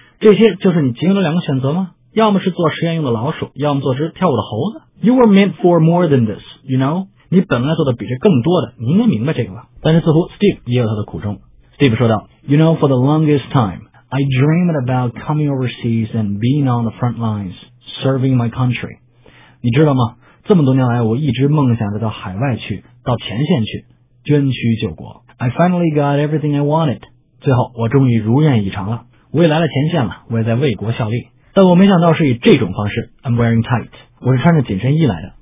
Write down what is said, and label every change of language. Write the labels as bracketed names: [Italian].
[Chinese] 这些就是你仅有的两个选择吗？要么是做实验用的老鼠，要么做只跳舞的猴子。 [English] You were meant for more than this, you know? [Chinese] 你本来做的比这更多的，你应该明白这个吧。但是似乎 Steve 也有他的苦衷。 Steve 说道， [English] You know, for the longest timeI dreamed about coming overseas and being on the front lines, serving my country. [Chinese] 你知道吗？这么多年来，我一直梦想着到海外去，到前线去，捐躯救国。 [English] I finally got everything I wanted. [Chinese] 最后，我终于如愿以偿了。我也来了前线了，我也在为国效力。但我没想到是以这种方式。 [English] I'm wearing tight. [Chinese] 我是穿着紧身衣来的。